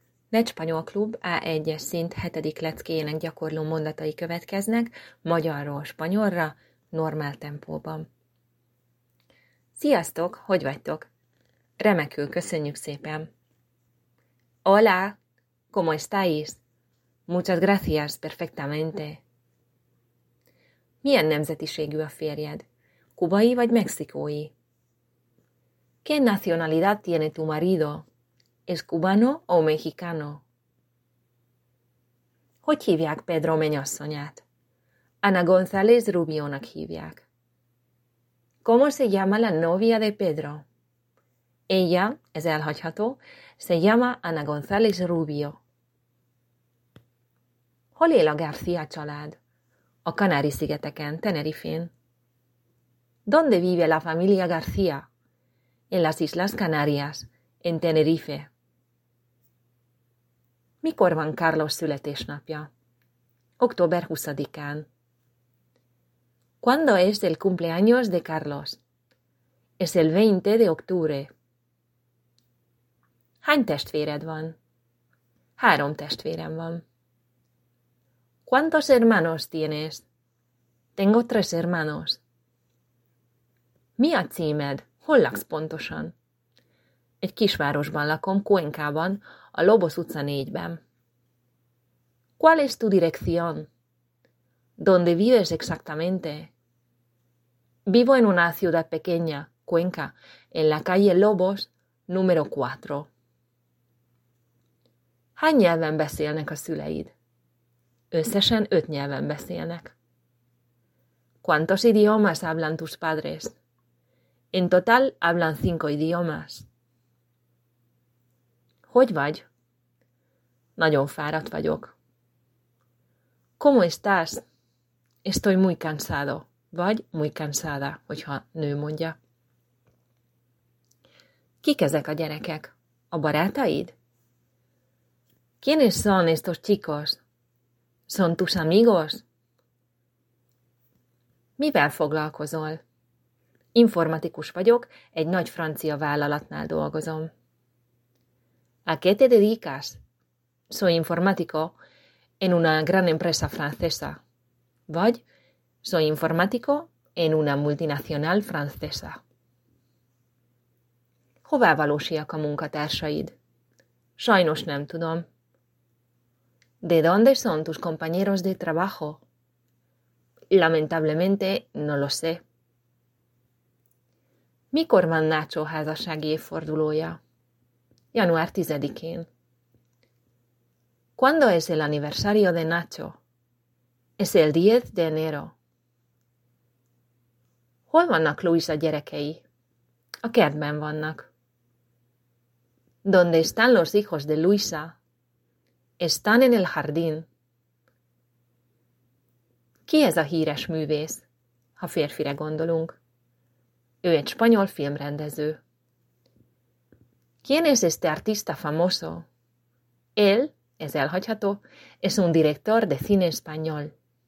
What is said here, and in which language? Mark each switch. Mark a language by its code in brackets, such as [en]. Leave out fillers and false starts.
[hu] Lecspanyol Klub A1-es szint 7. leckéjének gyakorló mondatai következnek, magyarról spanyolra, normál tempóban. Sziasztok, hogy vagytok? Remekül, köszönjük szépen! [es] Hola, ¿cómo estáis? Muchas gracias, perfectamente. [hu] Milyen nemzetiségű a férjed? Kubai vagy mexikói? [es] ¿Qué nacionalidad tiene tu marido? ¿Es cubano o mexicano? [hu] Hogy hívják Pedro menyasszonyát? Ana González Rubio-nak hívják. [es] ¿Cómo se llama la novia de Pedro? Ella, [hu] ez elhagyható, [es] se llama Ana González Rubio. [hu] Hol él a García család? A Kanári-szigeteken, Tenerifén. [es] ¿Dónde vive la familia García? En las Islas Canarias, en Tenerife. [hu] Mikor van Carlos születésnapja? Október 20-án. [es] ¿Cuándo es el cumpleaños de Carlos? Es el 20 de octubre. [hu] Hány testvéred van? Három testvérem van. [es] ¿Cuántos hermanos tienes? Tengo tres hermanos. [hu] Mi a címed? Hol laksz pontosan? Egy kisvárosban lakom, Cuenca-ban, a Lobos utca 4-ben. [es] ¿Cuál es tu dirección? ¿Dónde vives exactamente? Vivo en una ciudad pequeña, Cuenca, en la calle Lobos, número 4. [hu] Hány nyelven beszélnek a szüleid? Összesen 5 nyelven beszélnek. [es] ¿Cuántos idiomas hablan tus padres? En total hablan 5 idiomas. [hu] Hogy vagy? Nagyon fáradt vagyok. [es] ¿Cómo estás? Estoy muy cansado. [hu] Vagy [es] muy cansada, [hu] hogyha nő mondja. Kik ezek a gyerekek? A barátaid? [es] ¿Quiénes son estos chicos? ¿Son tus amigos? [hu] Mivel foglalkozol? Informatikus vagyok, egy nagy francia vállalatnál dolgozom. [es] ¿A qué te dedicas? Soy informático en una gran empresa francesa. [hu] Vagy [es] soy informático en una multinacional francesa. [hu] Hová valósíjak a munkatársaid? Sajnos nem tudom. [es] ¿De dónde son tus compañeros de trabajo? Lamentablemente no lo sé. [hu] Mikor van Nacho házassági évfordulója? Január 10-én. [es] ¿Cuándo es el aniversario de Nacho? Es el 10 de enero. [hu] Hol vannak Luisa gyerekei? A kertben vannak. [es] ¿Dónde están los hijos de Luisa? Están en el jardín. [hu] Ki ez a híres művész, ha férfire gondolunk? Ő egy spanyol filmrendező. [es] ¿Quién es este artista famoso? Él, [hu] ez elhagyható, [es] es un director de cine español.